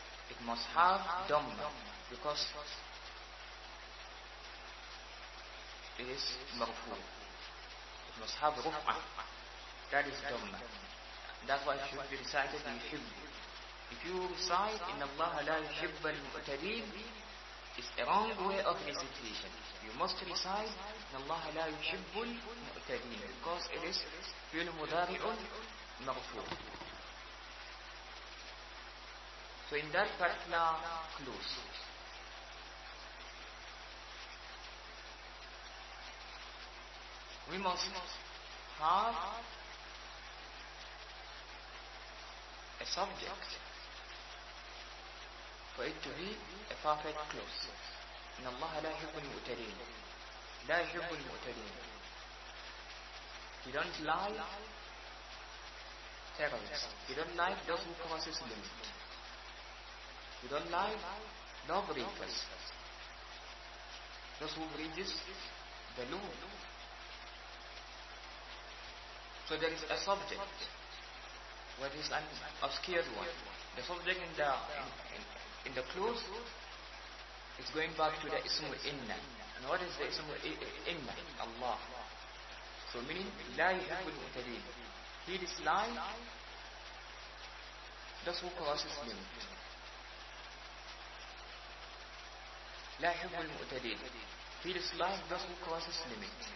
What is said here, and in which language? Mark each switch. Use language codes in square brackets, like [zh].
[en] It must have dhamma because it is مرفوع. It must have رفع. That is dhamma. That's why it should be recited in حب. If you recite [ar] إن الله لا يحب المعتدين, [en] it's a wrong way of recitation. You must recite [ar] إن الله لا يحب المعتدين [en] because it is فعل مضارع مرفوع. So in that particular clause, we must have a subject for it to be a perfect clause. [ar] إن الله لا يحب المعتدين. لا يحب المعتدين. [en] He don't like terrorists. He don't like those who cross limits. He don't like lawbreakers. Those who breaches the law. So there is a subject. What is an obscure one? The subject in the clause is going back to the ismu inna. And what is the ismu inna? Allah. So meaning, [ar] لا يحب المعتدين. [en] He dislike those who crosses limit. [ar] لا يحب المعتدين. [en] He dislike those who crosses limit.